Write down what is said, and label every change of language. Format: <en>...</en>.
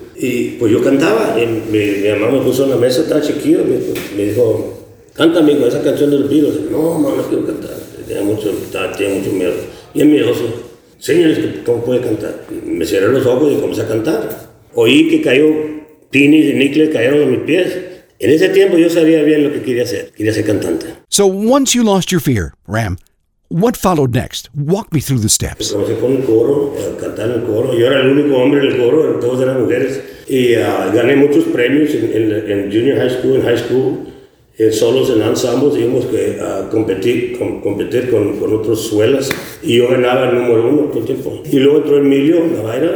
<es>Y pues yo cantaba, y mi mamá me puso en la mesa, estaba chiquillo, me dijo, canta amigo, esa canción de los Beatles. No, mamá, no quiero cantar, tenía mucho miedo, bien miedoso. Señores, ¿cómo puede cantar? Y me cerré los ojos y comencé a cantar. Oí que cayó tinis y níquel, cayeron en mis pies. En ese tiempo yo sabía bien lo que quería ser cantante.</es> <en>So once you lost your fear, Ram, what followed next? Walk me through the steps.</en> <es>Comencé con el coro, cantar en el coro. Yo era el único hombre en el coro, todos eran mujeres. Y gané muchos premios en junior high school, en high school. En solos, en ensembles, íbamos a competir con otros suelas. Y yo ganaba el número uno todo el tiempo. Y luego entró Emilio Navaira.</es>